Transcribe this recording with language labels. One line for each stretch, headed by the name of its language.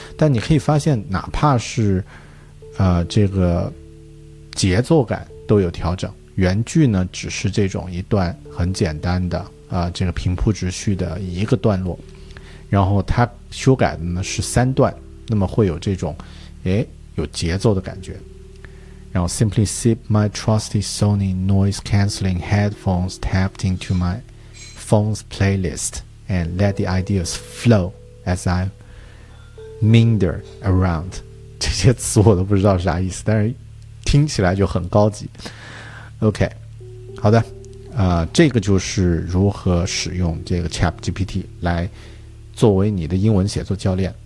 Chinese: 但你可以发现哪怕是这个节奏感都有调整，原句呢只是这种一段很简单的这个平铺直叙的一个段落，然后他修改的呢是三段，那么会有这种有节奏的感觉。
English: 然后 simply sip my trusty Sony noise cancelling headphones tapped into my phone's playlist and let the ideas flow as I meander around.
Chinese: 这些词我都不知道啥意思，但是听起来就很高级。 OK， 好的，这个就是如何使用这个 ChatGPT 来作为你的英文写作教练。